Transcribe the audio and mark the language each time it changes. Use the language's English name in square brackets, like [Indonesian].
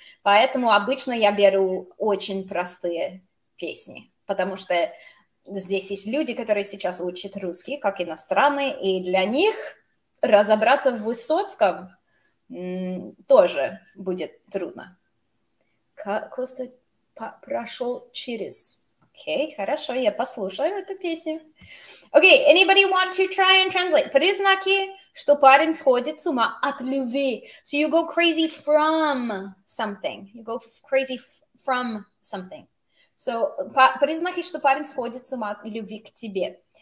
[Russian] Поэтому обычно я беру очень простые песни, потому что здесь есть люди, которые сейчас учат русский, как иностранные, и для них разобраться в Высоцком тоже будет трудно. Коста прошел через. Okay, хорошо, я послушаю эту песню. [English] Okay, anybody want to try and translate? [Russian] Признаки, что парень сходит с ума от любви. [English] So you go crazy from something. You go crazy from something. [Russian] признаки, что парень сходит с ума от любви к тебе.